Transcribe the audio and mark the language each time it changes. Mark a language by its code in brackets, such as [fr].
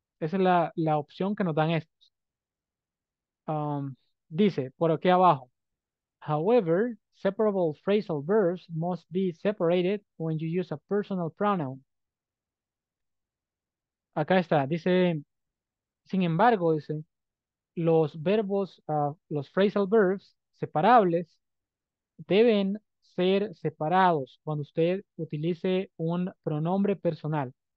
[es] Esa es la opción que nos dan estos. Dice, por aquí abajo. [en] However, separable phrasal verbs must be separated when you use a personal pronoun. [es] Acá está, dice, sin embargo, dice, los verbos, los phrasal verbs separables deben ser separados cuando usted utilice un pronombre personal.